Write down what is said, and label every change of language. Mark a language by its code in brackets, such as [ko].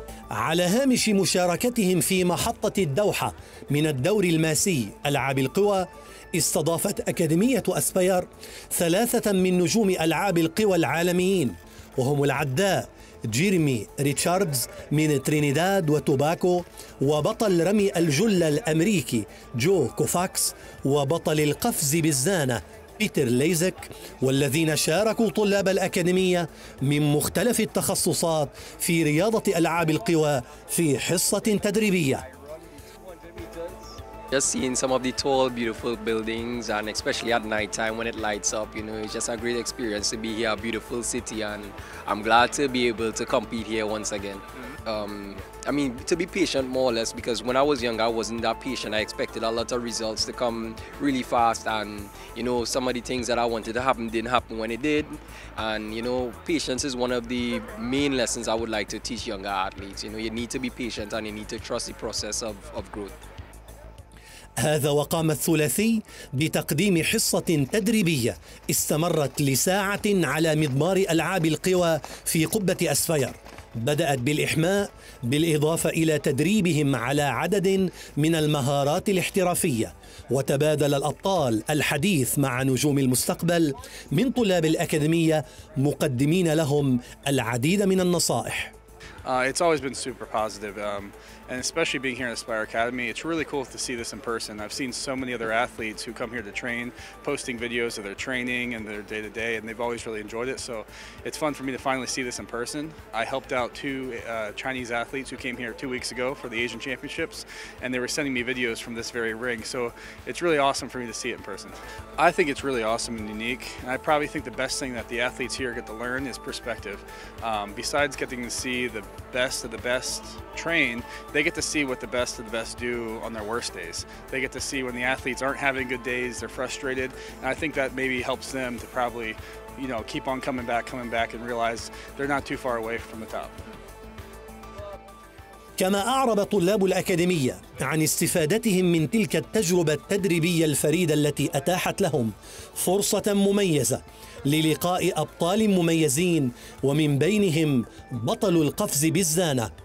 [ar] على هامش مشاركتهم في محطة الدوحة من الدور الماسي ألعاب القوى، استضافت أكاديمية أسفير ثلاثة من نجوم ألعاب القوى العالميين، وهم العداء جيرمي ريتشاردز من ترينيداد وتوباكو، وبطل رمي الجلة الأمريكي جو كوفاكس، وبطل القفز بالزانة بيتر ليزك، والذين شاركوا طلاب الأكاديمية من مختلف التخصصات في رياضة ألعاب القوى في حصة تدريبية. [en] Just seeing some of the tall, beautiful buildings, and especially at night time when it lights up, you know, it's just a great experience to be here, a beautiful city, and I'm glad to be able to compete here once again. I mean, to be patient more or less, because when I was younger, I wasn't that patient. I expected a lot of results to come really fast, and you know, some of the things that I wanted to happen didn't happen when it did. And you know, patience is one of the main lessons I would like to teach younger athletes. You know, you need to be patient and you need to trust the process of growth. [ar] هذا وقام الثلاثي بتقديم حصة تدريبية استمرت لساعة على مضمار ألعاب القوى في قبة أسفير، بدأت بالإحماء بالإضافة إلى تدريبهم على عدد من المهارات الاحترافية، وتبادل الأبطال الحديث مع نجوم المستقبل من طلاب الأكاديمية مقدمين لهم العديد من النصائح. [en] It's always been super positive, and especially being here at Aspire Academy, it's really cool to see this in person. I've seen so many other athletes who come here to train, posting videos of their training and their day-to-day, and they've always really enjoyed it. So it's fun for me to finally see this in person. I helped out two Chinese athletes who came here 2 weeks ago for the Asian Championships, and they were sending me videos from this very ring. So it's really awesome for me to see it in person. I think it's really awesome and unique, and I probably think the best thing that the athletes here get to learn is perspective. Besides getting to see the best of the best train, they get to see what the best of the best do on their worst days. They get to see when the athletes aren't having good days, they're frustrated, and I think that maybe helps them to probably, you know, keep on coming back and realize they're not too far away from the top. [ar] كما أعرب طلاب الأكاديمية عن استفادتهم من تلك التجربة التدريبية الفريدة التي أتاحت لهم فرصة مميزة للقاء أبطال مميزين، ومن بينهم بطل القفز بالزانة